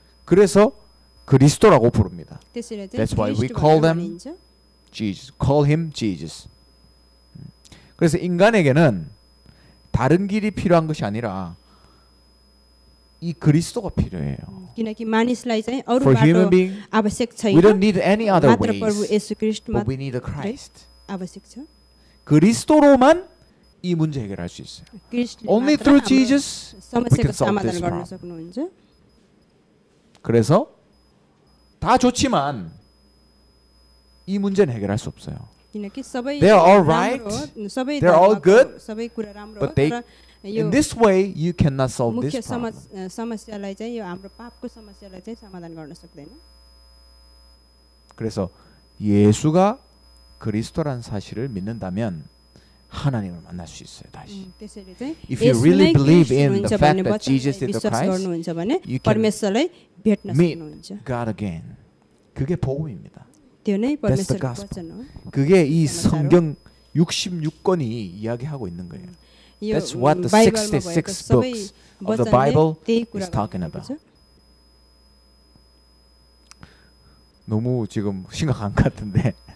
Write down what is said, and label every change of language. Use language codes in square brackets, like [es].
[ko] 그래서 그리스도라고 부릅니다. [en] That's why we call them Jesus. Call him Jesus. [ko] 그래서 인간에게는 다른 길이 필요한 것이 아니라 이 그리스도가 필요해요. [en] For human beings, we don't need any other ways, but we need a Christ. [ko] 그리스도로만 이 문제 해결할 수 있어요. [en] Only through Jesus we can solve this problem. [ko] 그래서 다 좋지만 이 문제는 해결할 수 없어요. [en] They are all right. They are all good. But they, in this way, you cannot solve this problem. [ko] 그래서 예수가 그리스도란 사실을 믿는다면 하나님을 만날 수 있어요. 다시. [en] If you really believe in the fact that Jesus is the Christ, you can meet God again. [ko] 그게 복음입니다. [en] That's the gospel. [ko] 그게 이 성경 66권이 이야기하고 있는 거예요. [en] That's what the 66 books of the Bible is talking about. [ko] 너무 지금 심각한 것 같은데.